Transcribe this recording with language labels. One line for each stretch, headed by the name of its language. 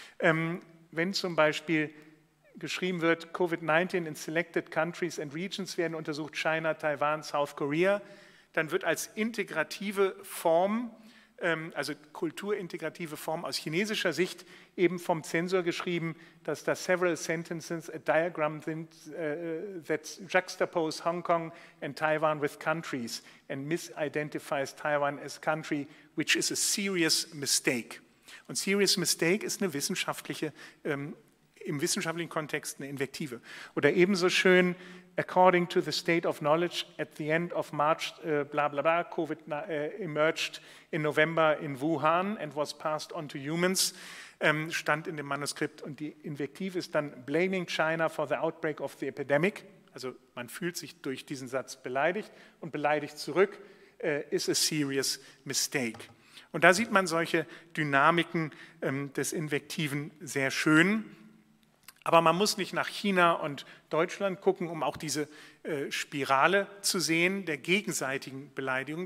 German: Wenn zum Beispiel geschrieben wird,
English: Covid-19 in selected countries and regions
German: werden untersucht, China, Taiwan, South Korea, dann wird als integrative Form, also kulturintegrative Form aus chinesischer Sicht, eben vom Zensor geschrieben, dass da
English: several sentences, a diagram
German: sind,
English: that juxtapose Hong Kong and Taiwan with countries and misidentifies Taiwan as country, which is a serious mistake.
German: Und serious mistake ist eine wissenschaftliche, im wissenschaftlichen Kontext eine Invektive. Oder ebenso schön,
English: according to the state of knowledge, at the end of March, COVID emerged in November in Wuhan and was passed on to humans,
German: stand in dem Manuskript. Und die Invektive ist dann
English: blaming China for the outbreak of the epidemic.
German: Also man fühlt sich durch diesen Satz beleidigt und beleidigt zurück,
English: is a serious mistake.
German: Und da sieht man solche Dynamiken des Invektiven sehr schön. Aber man muss nicht nach China und Deutschland gucken, um auch diese Spirale zu sehen, der gegenseitigen Beleidigung.